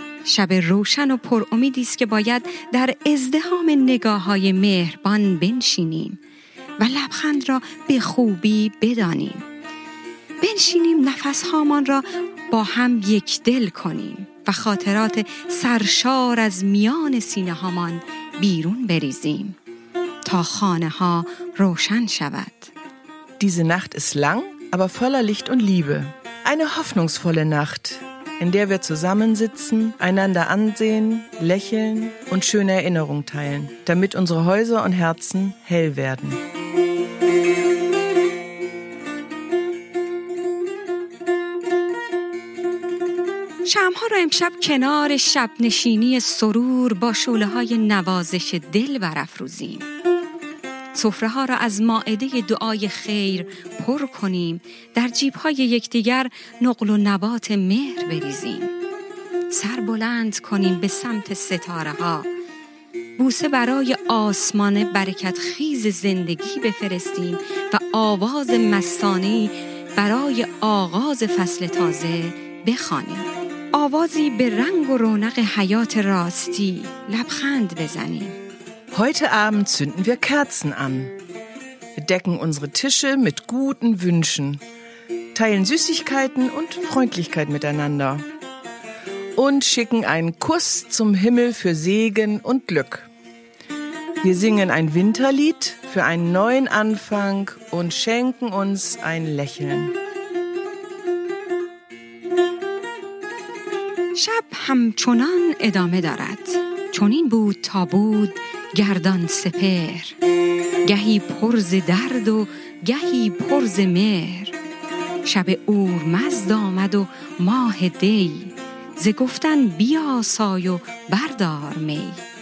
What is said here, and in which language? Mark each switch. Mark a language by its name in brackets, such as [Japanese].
[Persian] شب روشن و پر امیدی است که باید در ازدحام نگاه‌های مهربان بنشینیم و لبخند را به خوبی بدانیم. بنشینیم، نفس‌هامان را با هم یک دل کنیم و خاطرات سرشار از میان سینه‌هامان بیرون بریزیم تا خانه‌ها روشن شود. [German] Diese Nacht ist lang, aber voller Licht und Liebe. Eine hoffnungsvolle Nacht, in der wir zusammensitzen, einander ansehen, lächeln und schöne Erinnerungen teilen, damit unsere Häuser und Herzen hell werden. [Persian] شمع‌ها را امشب کنار شب‌نشینی سرور با شعله‌های نوازش دل برافروزیم. سفره‌ها را از مائده دعای خیر پر کنیم. در جیب‌های یکدیگر نقل و نبات مهر بریزیم. سر بلند کنیم به سمت ستاره‌ها. بوسه برای آسمان برکت خیز زندگی بفرستیم و آواز مستانه برای آغاز فصل تازه بخوانیم. آوازی به رنگ و رونق حیات راستی لبخند بزنیم. [German] Heute Abend zünden wir Kerzen an. Wir decken unsere Tische mit guten Wünschen, teilen Süßigkeiten und Freundlichkeit miteinander und schicken einen Kuss zum Himmel für Segen und Glück. Wir singen ein Winterlied für einen neuen Anfang und schenken uns ein Lächeln. [Persian] شب همچنان ادامه دارد، چون این بود تا بود گردان سپر، گهی پرز درد و گهی پرز مهر. شب اورمزد آمد و ماه دی، ز گفتن بیا سای و بردار می.